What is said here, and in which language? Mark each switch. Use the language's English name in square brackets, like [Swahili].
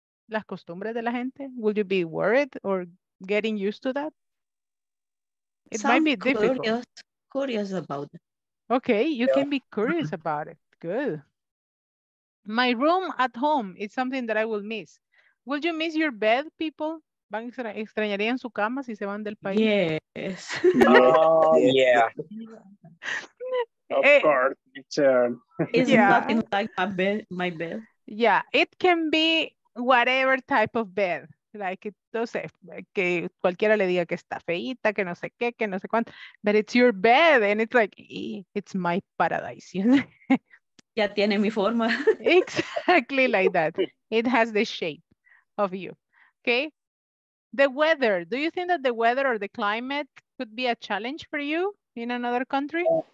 [Spanish] Las costumbres de la gente? [English] Would you be worried or getting used to that? It might be difficult. Curious about it. Okay, you can be curious about it. Good. My room at home is something that I will miss. Will you miss your bed, people? [Spanish] ¿Van extrañarían su cama si se van del país? [English] Yes. Oh, yeah. Of course, it's nothing like my bed. Yeah, it can be whatever type of bed. [Spanish] Like, no sé, que cualquiera le diga que está feita, que no sé qué, que no sé cuánto. [English] But it's your bed, and it's like, it's my paradise. You know? [Spanish] Ya tiene mi forma. [English] Exactly like that. It has the shape of you. Okay? The weather. Do you think that the weather or the climate could be a challenge for you in another country?